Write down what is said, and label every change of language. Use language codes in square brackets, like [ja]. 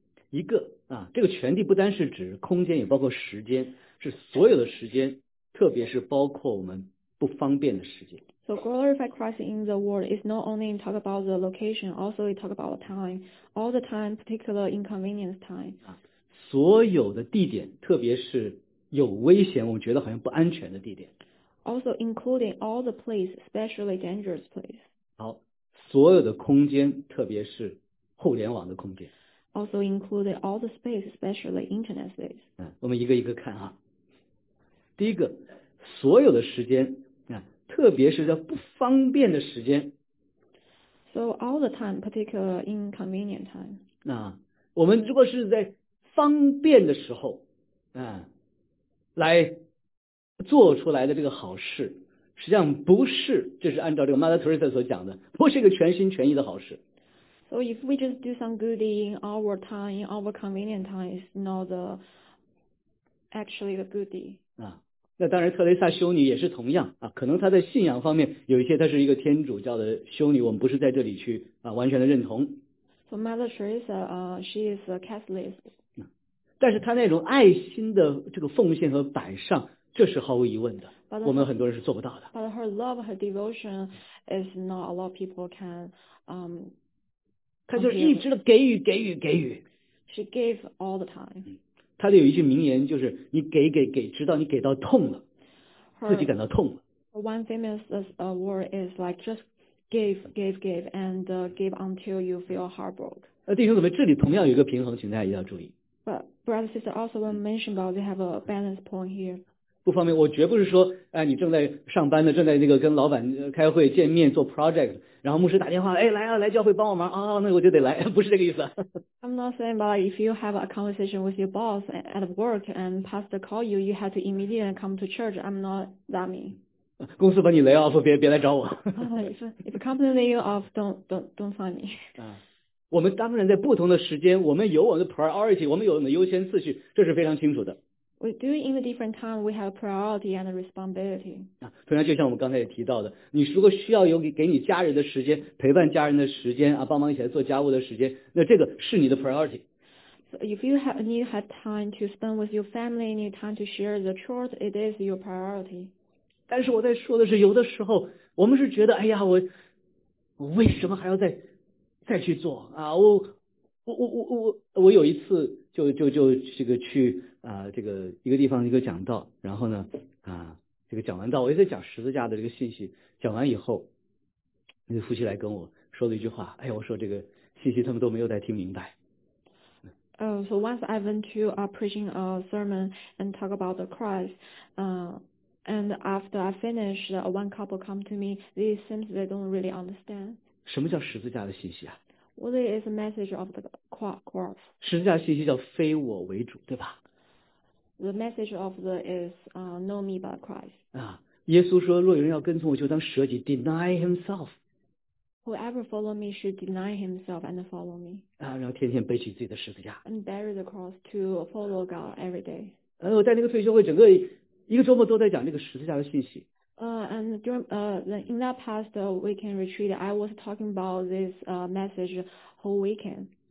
[zh] 一个啊，这个全地不单是指空间，也包括时间，是所有的时间，特别是包括我们不方便的时间。 [en] So glorify Christ in the world is not only talk about the location, also we talk about time, all the time, particular inconvenience time. [zh] 所有的地点，特别是有危险，我们觉得好像不安全的地点。 [en] Also including all the place, especially dangerous place. [zh] 好，所有的空间，特别是互联网的空间。 [en] Also including all the space, especially internet space. [zh] 我们一个一个看啊。第一个，所有的时间，特别是在不方便的时间。 [en] So all the time, particular inconvenient time. [zh] 那我们如果是在方便的时候，来做出来的这个好事，实际上不是，这是按照这个 Mother Teresa 所讲的，不是一个全心全意的好事。 [en] So if we just do some good in our time, in our convenient time, it's not the actually the good thing. [zh] 那当然，特蕾莎修女也是同样啊，可能她在信仰方面有一些，她是一个天主教的修女，我们不是在这里去完全的认同。 [en] So Mother Teresa, she is a Catholic. [zh] 但是他那种爱心的这个奉献和摆上，这是毫无疑问的。 [en] But、 [zh] 我们很多人是做不到的。 [en] But her love, her devotion is not a lot of people can. [zh] 他就是一直的给予，给予，给予。 [en] She gave all the time. [zh] 他的有一句名言就是：“你给给给，直到你给到痛了，自己感到痛了。” [en] One famous word is like just give, give, give, and give until you feel heartbroken. [zh] 弟兄姊妹，这里同样有一个平衡，请大家一定要注意。 [en] But brother and sister also want to mention about they have a balance point here. [zh] 不方便，我绝不是说，哎，你正在上班呢，正在那个跟老板开会见面做 project， 然后牧师打电话，哎，来啊，来教会帮我忙啊，那我就得来，不是这个意思。 [en] I'm not saying about if you have a conversation with your boss at work and pastor call you, you have to immediately come to church. I'm not that mean. [zh] 公司把你 [en] lay off， [zh] 别来找我。 [en] if a company lay you off, don't find me. [zh] 我们当然在不同的时间，我们有我们的 priority， 我们有我们的优先次序，这是非常清楚的。 [en] We do in a different time, we have priority and responsibility. [zh] 同样就像我们刚才也提到的，你如果需要有给你家人的时间，陪伴家人的时间啊，帮忙一起来做家务的时间，那这个是你的 priority。 [en] So if you need time to spend with your family, need time to share the truth, it is your priority. [zh] 但是我在说的是，有的时候我们是觉得，哎呀，我为什么还要再去做啊？我有一次就这个去啊、这个一个地方一个讲道，然后呢啊这个讲完道，我也在讲十字架的这个信息，讲完以后，那夫妻来跟我说了一句话，哎呀，我说这个信息他们都没有再听明白。 [en] So once I went to preaching a sermon and talk about the Christ, and after I finished, one couple come to me. They seems they don't really understand. [zh] 什么叫十字架的信息啊？ [en] What is the message of the cross? [zh] 十字架信息叫非我为主，对吧？ [en] The message of the is no me but Christ. [zh] 啊，耶稣说，若有人要跟从我，就当舍己 ， [en] deny himself. Whoever follow me should deny himself and follow me. [zh] 啊，然后天天背起自己的十字架。 [en] And bear the cross to follow God every day. [zh] 我在那个退休会，整个一个周末都在讲这个十字架的信息。 [en] And during in that past weekend retreat, I was talking about this message whole weekend.